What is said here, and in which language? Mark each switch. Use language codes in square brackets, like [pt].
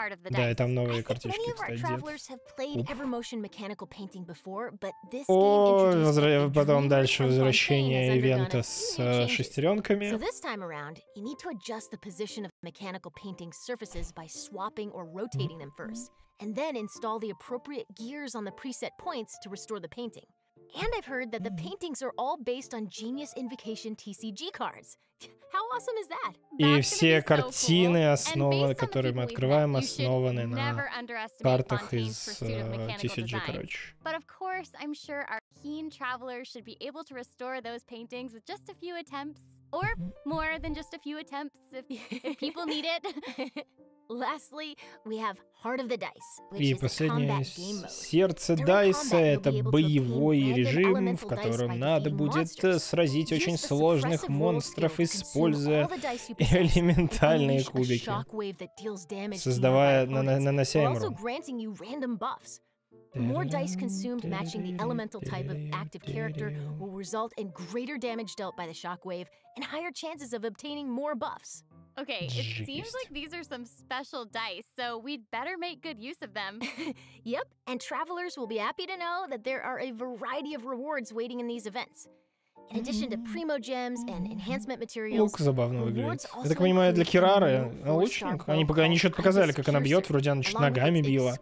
[ru] Да, и там новые карточки, кстати. О, потом дальше возвращение ивента с шестеренками. [en] So this time around, you need to adjust the position of mechanical painting surfaces by swapping or rotating them first, and then install the appropriate gears on the preset points to restore the painting. And I've heard that the paintings are all based on Genius Invocation TCG cards. How awesome is that? [ru] И все картины, основы, которые мы открываем, основаны на картах из TCG, короче. [en] But of course, I'm sure our keen travelers should be able to restore those paintings with just a few attempts, or more than just a few attempts if people need it. Lastly, we have Heart of the Dice, which [ru] и последнее, сердце Дайса, это боевой режим, в котором надо будет сразить очень сложных монстров, используя элементальные кубики, создавая, нанося им урон. [en] More dice consumed matching the elemental type of active character will result in greater damage dealt by the shockwave and higher chances of obtaining more buffs. Okay, it seems like these are some special dice, so we'd better make good use of them. Yep, and travelers will be happy to know that there are a variety of rewards waiting in these events. In addition to primo gems and enhancement materials. [ru] Ох, забавно выглядит. Я так понимаю, для Кирары лучник. Они что-то показали, как она бьет, вроде она что-то ногами била.